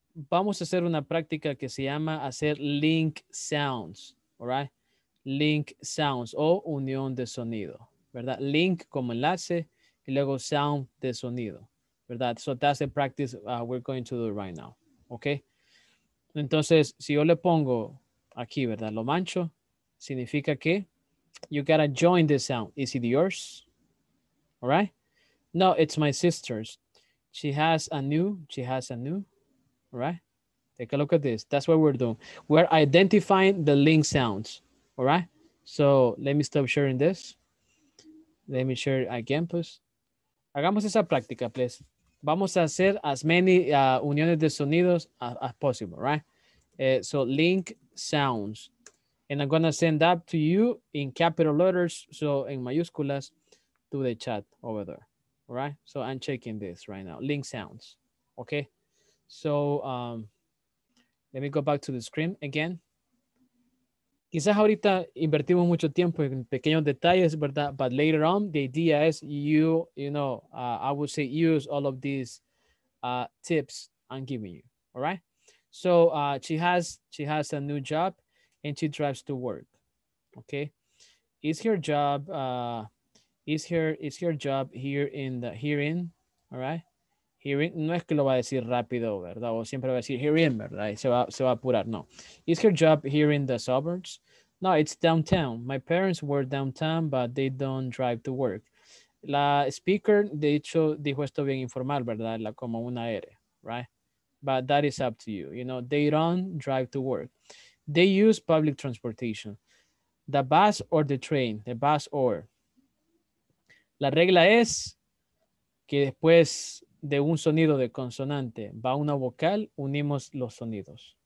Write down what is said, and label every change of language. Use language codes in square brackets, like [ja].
[es] Vamos a hacer una práctica que se llama hacer link sounds, [en] all right? [es] Link sounds o unión de sonido, ¿verdad? Link como enlace y luego sound de sonido, ¿verdad? [en] So that's the practice we're going to do right now, ¿ok? [es] Entonces, si yo le pongo aquí, ¿verdad? Lo mancho, significa que [en] you gotta join the sound. Is it yours? All right. No, it's my sister's. She has a new, she has a new, all right? Take a look at this. That's what we're doing. We're identifying the link sounds, all right? So let me stop sharing this. Let me share again, please. [es] Hagamos esa práctica, [en] please. [es] Vamos a hacer [en] as many [es] uniones de sonidos [en] as possible, right? So link sounds. And I'm gonna send that to you in capital letters, so in mayúsculas, to the chat over there. Right, so I'm checking this right now. Link sounds, okay. So let me go back to the screen again. [es] Quizás ahorita invertimos mucho tiempo en pequeños detalles, verdad? [en] But later on, the idea is I would say use all of these tips I'm giving you. All right. So she has a new job, and she drives to work. Okay, is her job is her job here in all right? [es] Hearing, no es que lo va a decir rápido, ¿verdad? O siempre va a decir herein, ¿verdad? Y se va a apurar, no. [en] Is her job here in the suburbs? No, it's downtown. My parents were downtown, but they don't drive to work. [es] La speaker, de hecho, dijo esto bien informal, ¿verdad? La como una R, [en] right? But that is up to you. You know, they don't drive to work. They use public transportation. The bus or the train, the bus or... [es] La regla es que después de un sonido de consonante va una vocal, unimos los sonidos.